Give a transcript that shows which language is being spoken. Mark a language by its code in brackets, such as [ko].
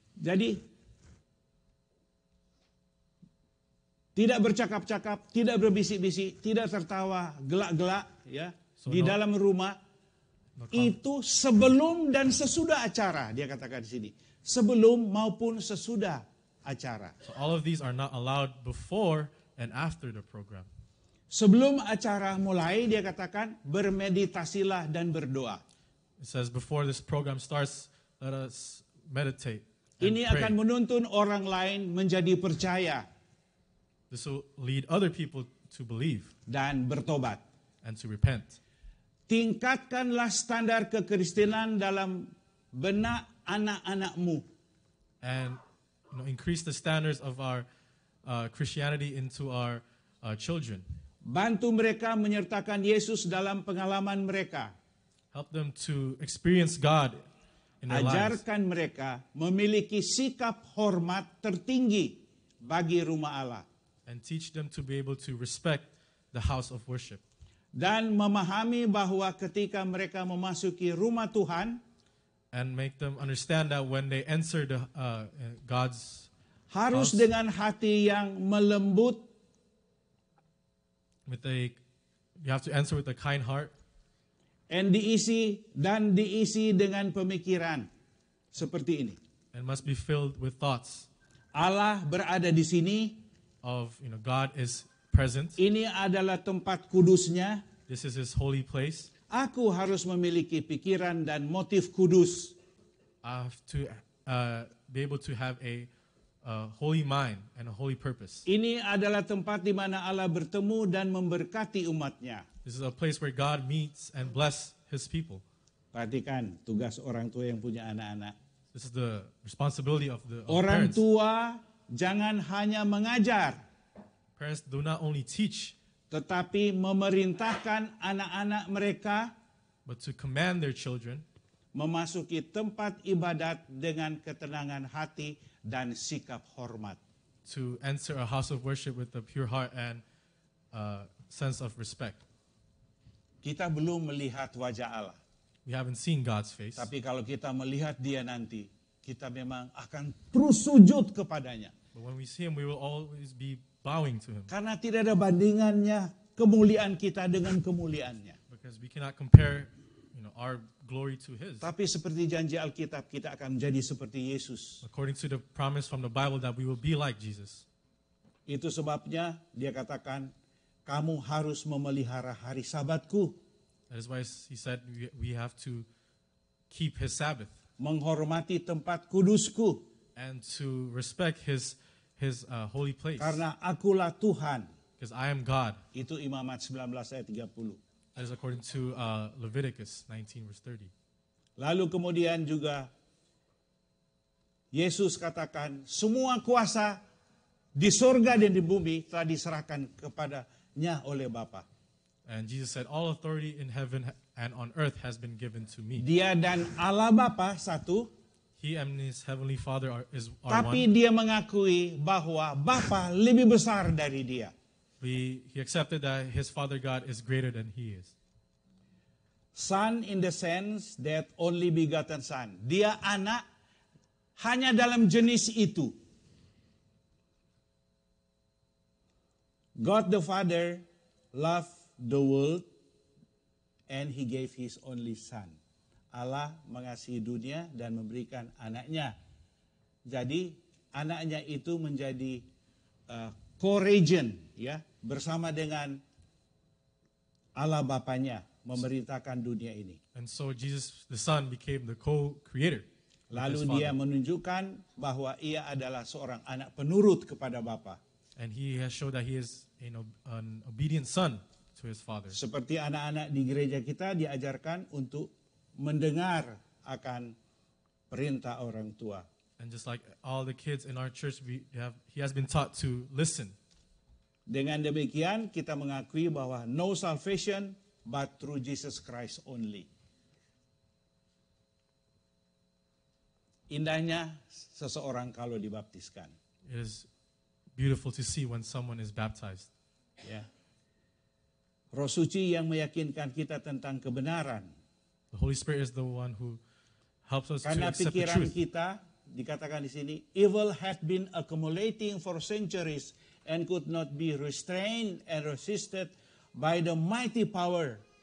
[id] Jadi tidak bercakap-cakap, tidak berbisik-bisik, tidak tertawa, gelak-gelak, ya, so di dalam rumah itu sebelum dan sesudah acara, dia katakan di sini, sebelum maupun sesudah acara. [en] So all of these are not allowed before and after the program. [id] Sebelum acara mulai, dia katakan bermeditasilah dan berdoa. [en] It says before this program starts, let us meditate. [id] Ini akan menuntun orang lain menjadi percaya. [en] This will lead other people to believe. [id] Dan bertobat. [en] And to repent. [id] Tingkatkanlah standar kekristenan dalam benak anak-anakmu. [en] And increase the standards of our Christianity into our children. [id] Bantu mereka menyertakan Yesus dalam pengalaman mereka. [en] Help them to experience God in their lives. [id] Ajarkan mereka memiliki sikap hormat tertinggi bagi rumah Allah. [en] And teach them to be able to respect the house of worship. [id] Dan memahami bahwa ketika mereka memasuki rumah Tuhan, [en] and make them understand that when they enter the God's [id] harus dengan hati yang melembut, [en] with a, you have to answer with a kind heart, [id] and diisi dan diisi dengan pemikiran seperti ini, [en] and must be filled with thoughts. [id] Allah berada di sini. [en] Of God is present. [id] Ini adalah tempat kudusnya. [en] This is his holy place. [id] Aku harus memiliki pikiran dan motif kudus. [en] I have to be able to have a holy mind and a holy purpose. [id] Ini adalah tempat di mana Allah bertemu dan memberkati umatnya. [en] This is a place where God meets and bless his people. [id] Perhatikan tugas orang tua yang punya anak-anak. [en] This is the responsibility of the parents. [id] Orang tua jangan hanya mengajar. [en] Parents do not only teach. [id] Tetapi memerintahkan anak-anak mereka. [en] But to command their children. [id] Memasuki tempat ibadat dengan ketenangan hati dan sikap hormat. [en] To enter a house of worship with a pure heart and a sense of respect. [id] Kita belum melihat wajah Allah. [en] We haven't seen God's face. [id] Tapi kalau kita melihat dia nanti, kita memang akan terus sujud kepadanya. [en] But when we see him, we will always be bowing to him. [id] Karena tidak ada bandingannya kemuliaan kita dengan kemuliaannya. [en] Because we cannot compare, you know, our glory to his. [id] Tapi seperti janji Alkitab, kita akan menjadi seperti Yesus. [en] According to the promise from the Bible that we will be like Jesus. [id] Itu sebabnya dia katakan, kamu harus memelihara hari Sabatku. [en] That is why he said we have to keep his Sabbath. [id] Menghormati tempat kudusku. [en] And to respect his holy place. [id] Karena akulah Tuhan. [en] Because I am God. [id] Itu Imamat 19 ayat 30. [en] That is according to Leviticus 19 verse 30. [id] Lalu kemudian juga Yesus katakan semua kuasa di surga dan di bumi telah diserahkan kepadanya oleh Bapa. [en] And Jesus said all authority in heaven and on earth has been given to me. [id] Dia dan Allah Bapa satu. [en] He and his heavenly Father is our one. [id] Tapi dia mengakui bahwa Bapa lebih besar dari dia. [en] He accepted that his Father God is greater than he is. Son in the sense that only begotten Son. [id] Dia anak hanya dalam jenis itu. [en] God the Father loved the world and he gave his only Son. [id] Allah mengasihi dunia dan memberikan anaknya. Jadi anaknya itu menjadi co-regent, ya, bersama dengan Allah Bapanya memerintahkan dunia ini. [en] And so Jesus the Son became the co-creator. [id] Lalu dia menunjukkan bahwa ia adalah seorang anak penurut kepada Bapa. [en] And he has showed that he is an obedient son to his father. [id] Seperti anak-anak di gereja kita diajarkan untuk mendengar akan perintah orang tua. [en] And just like all the kids in our church, he has been taught to listen. [id] Dengan demikian, kita mengakui bahwa [en] no salvation but through Jesus Christ only. [id] Indahnya seseorang kalau dibaptiskan. [en] It is beautiful to see when someone is baptized. [id] Yeah. Roh Suci yang meyakinkan kita tentang kebenaran. [en] The Holy Spirit is the one who helps us [id] karena [en] to accept [id] pikiran [en] the truth. [id] Kita dikatakan di sini, [en] evil had been accumulating for centuries and could not be restrained and resisted by the mighty power.